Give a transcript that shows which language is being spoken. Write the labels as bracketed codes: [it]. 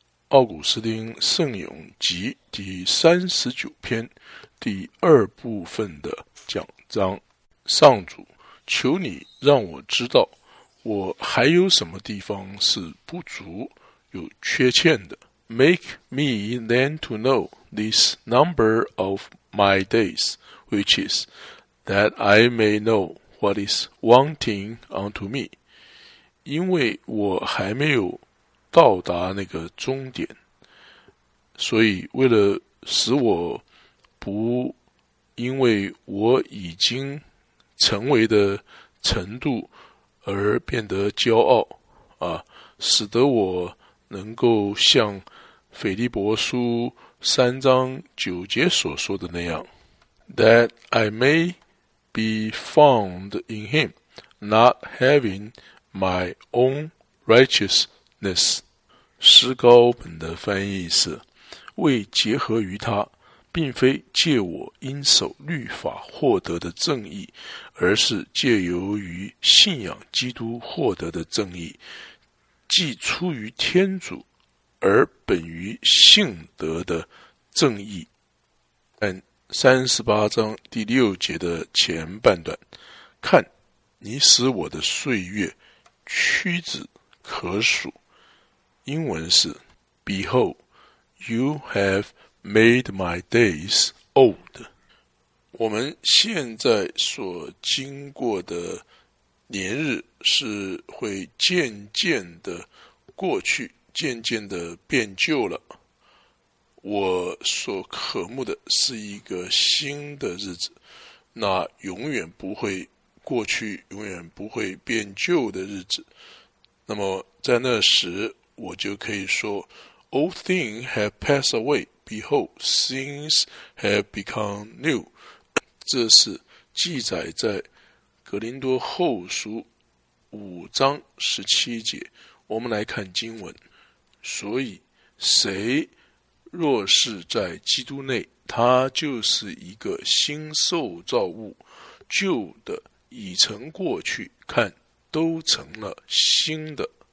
[zh] 奥古斯丁圣咏集第39篇第二部分的讲章。上主，求你让我知道我还有什么地方是不足有缺欠的。 [en] Make me then to know this number of my days, which is that I may know what is wanting unto me, [zh] 因为我还没有到达那个终点，所以为了使我不因为我已经成为的程度而变得骄傲啊，使得我能够像腓立伯书三章九节所说的那样， [en] That I may be found in him, not having my own righteousness. [zh] 诗高本的翻译是，为结合于他，并非借我因守律法获得的正义，而是借由于信仰基督获得的正义，既出于天主，而本于性德的正义。但38章第6节的前半段，看，你使我的岁月屈指可数。英文是 [en] Behold, you have made my days old. [zh] 我们现在所经过的年日是会渐渐的过去，渐渐的变旧了。我所渴慕的是一个新的日子，那永远不会过去，永远不会变旧的日子。那么在那时，我就可以说 [en] Old things have passed away, behold, things have become new. [zh] 这是记载在格林多后书五章十七节。我们来看经文，所以谁若是在基督内，他就是一个新受造物，旧的已成过去，看，都成了新的。